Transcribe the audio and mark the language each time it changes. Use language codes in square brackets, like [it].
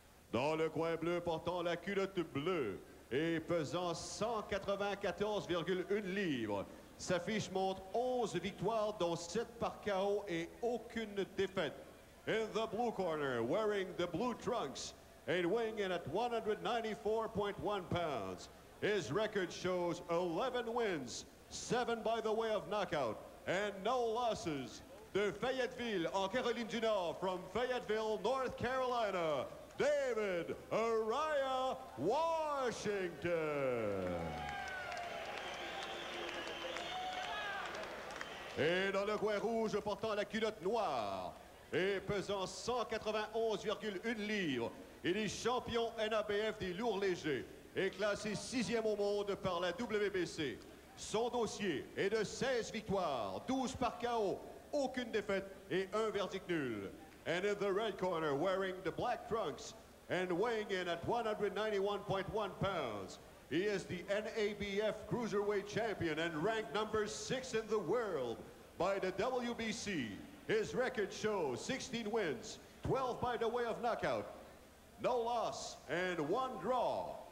[fr] Dans le coin bleu, portant la culotte bleue et pesant 194,1 livres, sa fiche montre 11 victoires, dont 7 par KO et aucune défaite. [en] In the blue corner, wearing the blue trunks and weighing in at 194.1 pounds, his record shows 11 wins, 7 by the way of knockout, and no losses. [fr] De Fayetteville, en Caroline du Nord, [en] from Fayetteville, North Carolina, [fr] David Araya Washington. Et dans le coin rouge, portant la culotte noire et pesant 191,1 livres, il est champion NABF des lourds légers et classé sixième au monde par la WBC. Son dossier est de 16 victoires, 12 par KO, aucune défaite et un verdict nul. [en] And in the red corner, wearing the black trunks and weighing in at 191.1 pounds, he is the NABF Cruiserweight Champion and ranked number 6 in the world by the WBC. His record shows 16 wins, 12 by the way of knockout, no loss, and one draw.